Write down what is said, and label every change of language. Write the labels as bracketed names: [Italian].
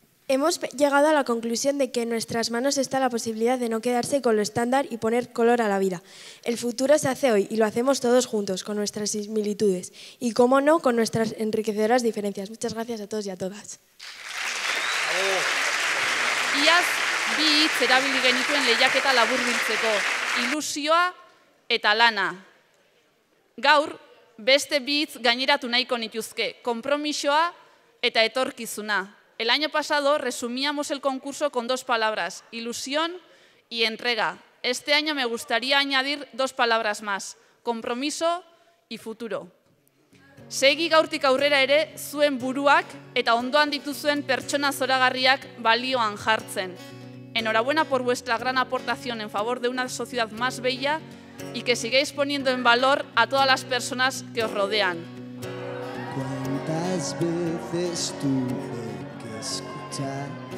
[Spanish] Hemos llegado a la conclusión de que en nuestras manos está la posibilidad de no quedarse con lo estándar y poner color a la vida. El futuro se hace hoy y lo hacemos todos juntos, con nuestras similitudes y, cómo no, con nuestras enriquecedoras diferencias. Muchas gracias a todos y a todas. [Basque] Iaz bi hitz erabili genituen lehiaketa laburbiltzeko, ilusioa eta lana. Gaur, beste bi hitz gaineratu nahiko nituzke, konpromisoa eta etorkizuna. [Spanish] El año pasado resumíamos el concurso con dos palabras, ilusión y entrega. Este año me gustaría añadir dos palabras más, compromiso y futuro. [Basque] Segi gaurtik aurrera ere zuen buruak eta ondoan dituzuen pertsona zoragarriak balioan jartzen. [Spanish] Enhorabuena por vuestra gran aportación en favor de una sociedad más bella y que sigáis poniendo en valor a todas las personas que os rodean. ¿Cuántas veces tuve que escuchar?